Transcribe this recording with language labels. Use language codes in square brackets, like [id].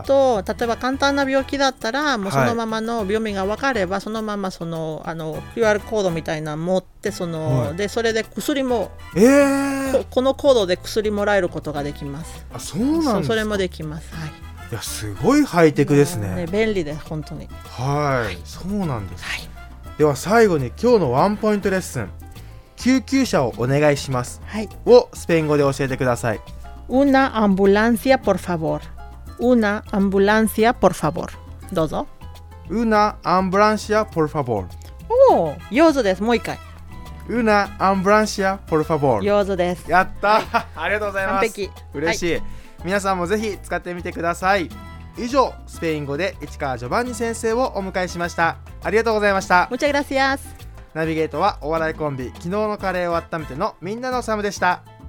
[ja] あと例えば簡単な病気だったら、もうそのままの病名が分かれば、そのままあの QR コードみたいなの持って、その、はい、でそれで薬も、このコードで薬もらえることができます。あ、そうなんですか。それもできます、はい。いや、すごいハイテクです ね便利です本当に、はい、はい、そうなんです、はい、では最後に今日のワンポイントレッスン、救急車をお願いします、はい、をスペイン語で教えてください。 [es] Una ambulancia por favor. Una ambulancia por favor. [ja] どうぞ。 [es] Una ambulancia por favor. [ja] おお、上手です。もう一回。 [es] Una ambulancia por favor. [ja] 上手です。やった、はい、ありがとうございます。完璧、嬉しい、はい、皆さんもぜひ使ってみてください。以上、スペイン語で市川ジョバンニ先生をお迎えしました。ありがとうございました。 [es] Muchas gracias。 [ja] ナビゲートはお笑いコンビ昨日のカレーを温めてのみんなのサムでした。